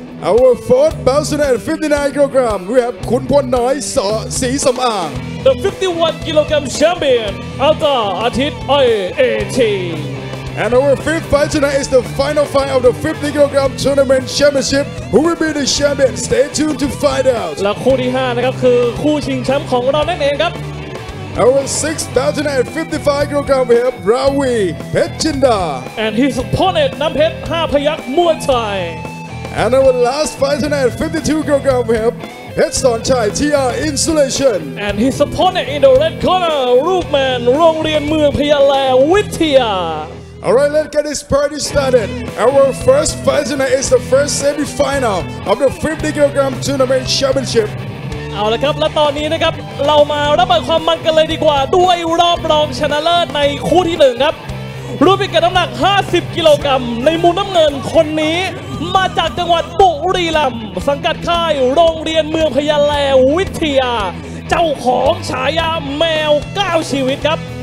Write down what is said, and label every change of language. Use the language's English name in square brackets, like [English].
[English] Our fourth bout tonight at 59kg, we have Khun Phuan Noi So Si Som Ang. The 51kg champion, Alta Atit IAT. And our fifth fight tonight is the final fight of the 50kg tournament championship. Who will be the champion? Stay tuned to find out. [Thai] และคู่ที่5นะครับคือคู่ชิงแชมป์ของเรานั่นเองครับ [English] Our sixth bout tonight at 55kg, we have Rawi Petchinda. And his opponent, Nam Pet 5 Phayak Muay Thai And our last fight tonight at 52kg we have Hetson Chai TR Insulation. And his opponent in the red corner, Rookman, Rongrien Mueang Phayalai Wuthia. Alright, let's get this party started. Our first fight tonight is the first semi-final of the 50kg tournament championship. [Thai] เอาละครับและตอนนี้นะครับเรามารับความมันกันเลยดีกว่าด้วยรอบรองชนะเลิศในคู่ที่1ครับรุ่นพิกัดน้ำหนัก50กิโลกรัมในมุมน้ำเงินคนนี้มาจากจังหวัดบุรีรัมย์สังกัดค่ายโรงเรียนเมืองพะยาแลวิทยาเจ้าของฉายาแมว9ชีวิตครับ